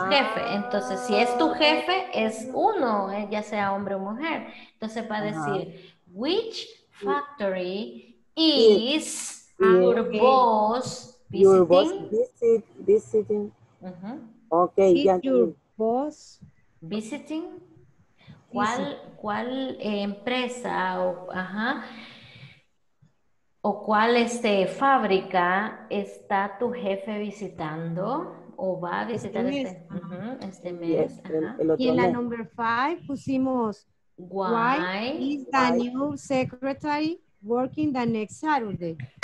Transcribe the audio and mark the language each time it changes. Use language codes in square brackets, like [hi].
[es] Jefe, entonces si es tu jefe, es uno, ya sea hombre o mujer. Entonces para decir, [en] which factory is your boss visiting? Your boss visiting. Uh-huh. Okay, is your boss visiting? [es] ¿Cuál empresa o cuál fábrica está tu jefe visitando? O va a visitar este mes. Y en la number 5 pusimos [en] why is the new secretary working the next Saturday?